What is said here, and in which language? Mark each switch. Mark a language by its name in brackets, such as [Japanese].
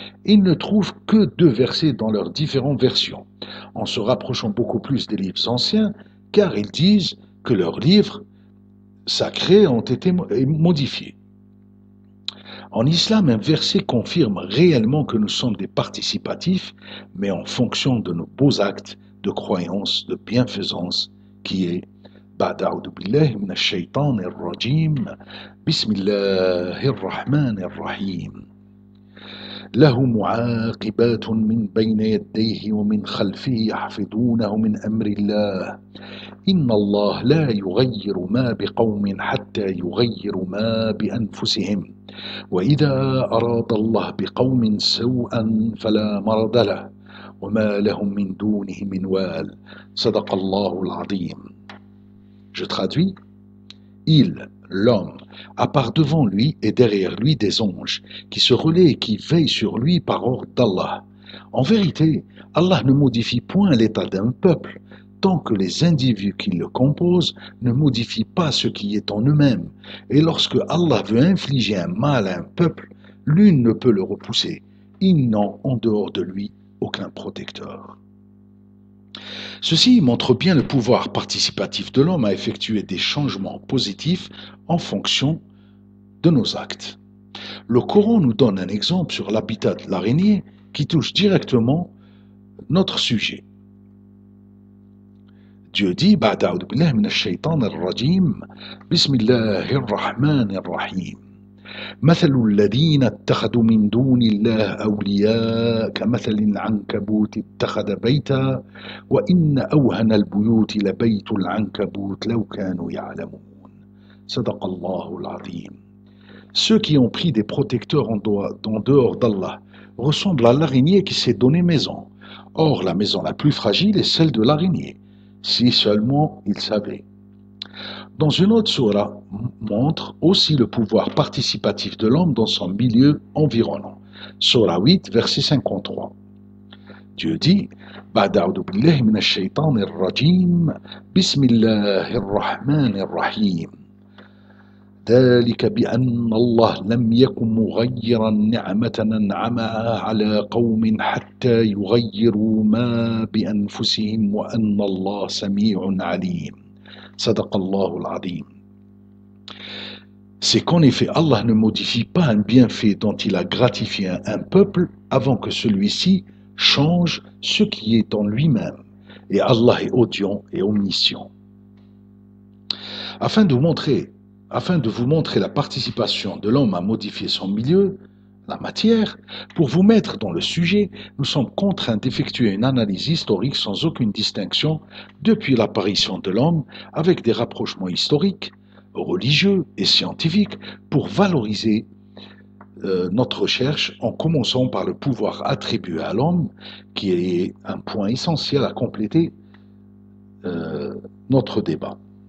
[French] Ils ne trouvent que 2 versets dans leurs différentes versions, en se rapprochant beaucoup plus des livres anciens, car ils disent que leurs livres sacrés ont été modifiés. En islam, un verset confirme réellement que nous sommes des participatifs, mais en fonction de nos beaux actes de croyance, de bienfaisance, qui est [Arabic] بعد أعوذ بالله من الشيطان الرجيم بسم الله الرحمن الرحيم له معاقبات من بين يديه ومن خلفه يحفظونه من أمر الله إن الله لا يغير ما بقوم حتى يغير ما بأنفسهم وإذا أراد الله بقوم سوءا فلا مرد له وما لهم من دونه من وال صدق الله العظيم. [French] Je traduis. Il, l'homme, a par devant lui et derrière lui des anges qui se relaient et qui veillent sur lui par ordre d'Allah. En vérité, Allah ne modifie point l'état d'un peuple tant que les individus qui le composent ne modifient pas ce qui est en eux-mêmes. Et lorsque Allah veut infliger un mal à un peuple, l'une ne peut le repousser. Ils n'ont en dehors de lui aucun protecteur. Ceci montre bien le pouvoir participatif de l'homme à effectuer des changements positifs en fonction de nos actes. Le Coran nous donne un exemple sur l'habitat de l'araignée qui touche directement notre sujet. Dieu dit [Arabic] « بعد أعوذ بالله من الشيطان الرجيم بسم الله الرحمن الرحيم مثل الذين اتخذوا من دون الله أولياء كمثل العنكبوت اتخذ بيتا وإن أوهن البيوت لبيت العنكبوت لو كانوا يعلمون صدق الله العظيم. [French] Ceux qui ont pris des protecteurs en dehors d'Allah ressemblent à l'araignée qui s'est donné maison. Or, la maison la plus fragile est celle de l'araignée, si seulement il savait. Dans une autre sourate, montre aussi le pouvoir participatif de l'homme dans son milieu environnant. Sourate 8, verset 53. Dieu dit [Arabic] « بعد أعوذ بالله من الشيطان الرجيم بسم الله الرحمن الرحيم ذلك بأن الله لم يكن مغيرا نعمة أنعمها على قوم حتى يغيروا ما بأنفسهم وأن الله سميع عليم صدق الله العظيم. [French] C'est qu'en effet, Allah ne modifie pas un bienfait dont il a gratifié un peuple avant que celui-ci change ce qui est en lui-même. Et Allah est audient et omniscient. Afin de vous montrer la participation de l'homme à modifier son milieu, la matière, pour vous mettre dans le sujet, nous sommes contraints d'effectuer une analyse historique sans aucune distinction depuis l'apparition de l'homme avec des rapprochements historiques, religieux et scientifiques pour valoriser notre recherche en commençant par le pouvoir attribué à l'homme qui est un point essentiel à compléter notre débat.